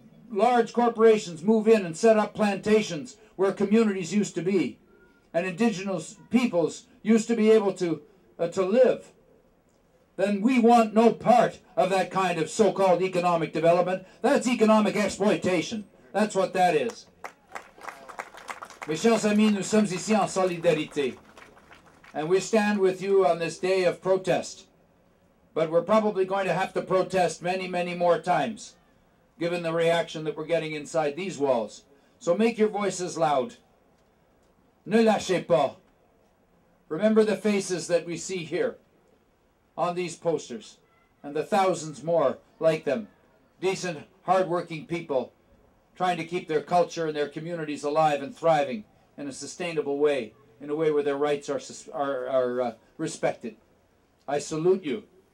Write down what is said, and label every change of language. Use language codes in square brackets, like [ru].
[en] large corporations move in and set up plantations where communities used to be, and indigenous peoples used to be able to live, then we want no part of that kind of so-called economic development. That's economic exploitation. That's what that is. [fr] Mes chers amis, nous sommes ici en solidarité. [en] And we stand with you on this day of protest. But we're probably going to have to protest many, many more times, given the reaction that we're getting inside these walls. So make your voices loud. [fr] Ne lâchez pas. [en] Remember the faces that we see here on these posters, and the thousands more like them, decent, hardworking people trying to keep their culture and their communities alive and thriving in a sustainable way, in a way where their rights are respected. I salute you.